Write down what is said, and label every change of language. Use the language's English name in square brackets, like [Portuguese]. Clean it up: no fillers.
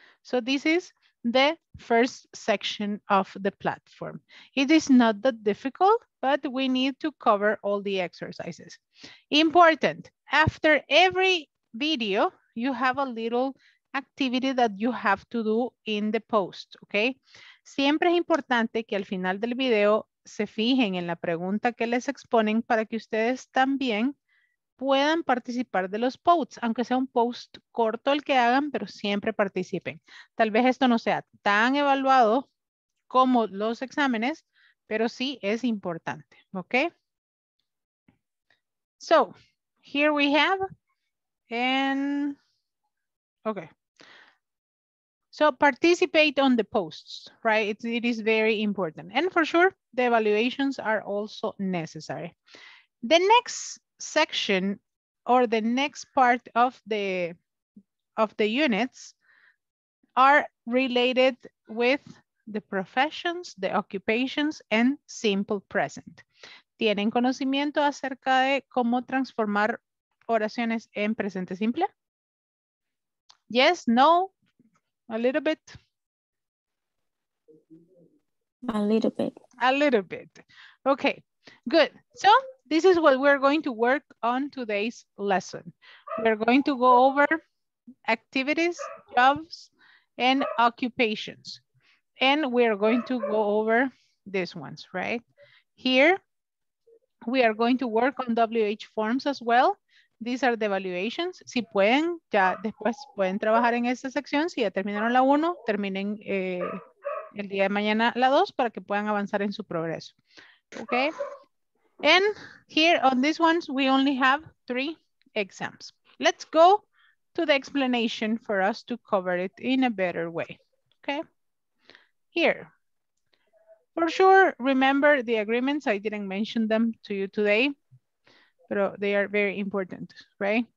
[English] So this is the first section of the platform. It is not that difficult, but we need to cover all the exercises. Important, after every video, you have a little activity that you have to do in the post, okay? [Spanish] Siempre es importante que al final del video se fijen en la pregunta que les exponen para que ustedes también puedan participar de los posts, aunque sea un post corto el que hagan, pero siempre participen. Tal vez esto no sea tan evaluado como los exámenes, pero sí es importante, ¿ok? [English] So, here we have, and, ok. So, participate on the posts, right? It is very important. And for sure, the evaluations are also necessary. The next section or the next part of the units are related with the professions, the occupations, and simple present. [Spanish] ¿Tienen conocimiento acerca de cómo transformar oraciones en presente simple? [English] Yes, no, a little bit. A little bit. A little bit. Okay, good. So, this is what we're going to work on today's lesson. We're going to go over activities, jobs, and occupations. And we're going to go over these ones, right? Here, we are going to work on WH forms as well. These are the evaluations. [Spanish] Si pueden, ya después pueden trabajar en esta sección. Si ya terminaron la uno, terminen el día de mañana la dos para que puedan avanzar en su progreso. [English] Okay? And here on these ones, we only have three exams. Let's go to the explanation for us to cover it in a better way, okay? Here, for sure, remember the agreements. I didn't mention them to you today, but they are very important, right?